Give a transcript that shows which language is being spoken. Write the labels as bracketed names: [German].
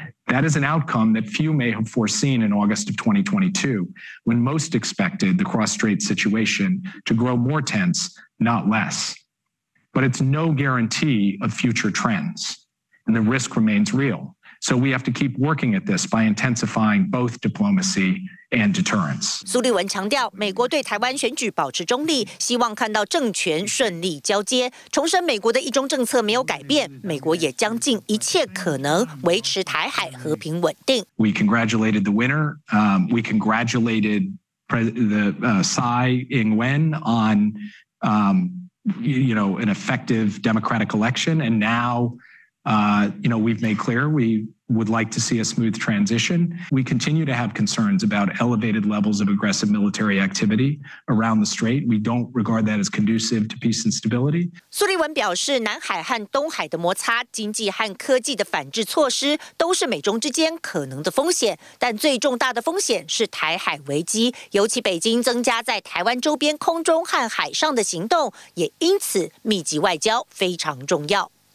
[English] That is an outcome that few may have foreseen in August of 2022, when most expected the cross-strait situation to grow more tense, not less. But it's no guarantee of future trends, and the risk remains real. So we have to keep working at this by intensifying both diplomacy. And deterrence. [Chinese] 苏利文强调，美国对台湾选举保持中立，希望看到政权顺利交接，重申美国的一中政策没有改变，美国也将尽一切可能维持台海和平稳定。 [English] We congratulated the winner. We congratulated Tsai Ing-wen on, you know, an effective democratic election. And now, you know, we've made clear we would like to see a smooth transition. We continue to have concerns about elevated levels of aggressive military activity around the strait. We don't regard that as conducive to peace and stability. [Chinese] 苏利文表示，南海和东海的摩擦、经济和科技的反制措施都是美中之间可能的风险，但最重大的风险是台海危机，尤其北京增加在台湾周边空中和海上的行动，也因此密集外交非常重要。